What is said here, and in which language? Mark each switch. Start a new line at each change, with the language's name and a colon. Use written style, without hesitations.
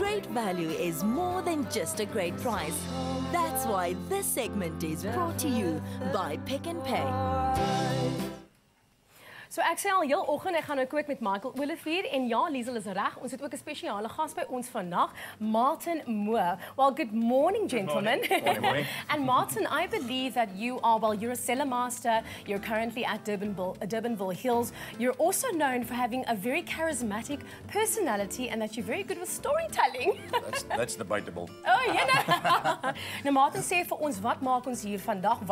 English: value is more than just a great price. That's why this segment is brought to you by PnP.
Afrikaans: So ek sê al heel oggend, ek gaan nou kook met Michael Olivier en ja, Liesel is reg. Ons het ook 'n spesiale gas by ons vandag, Martin Moore.
English: Well, good morning, gentlemen. Good morning. And Martin, I believe that you are, well, you're a cellar master. You're currently at Durbanville Hills. You're also known for having a very charismatic personality and that you're very good with storytelling. that's debatable. Oh, you know.
Afrikaans: Nou, Martin, sê vir ons, wat maak ons hier vandag?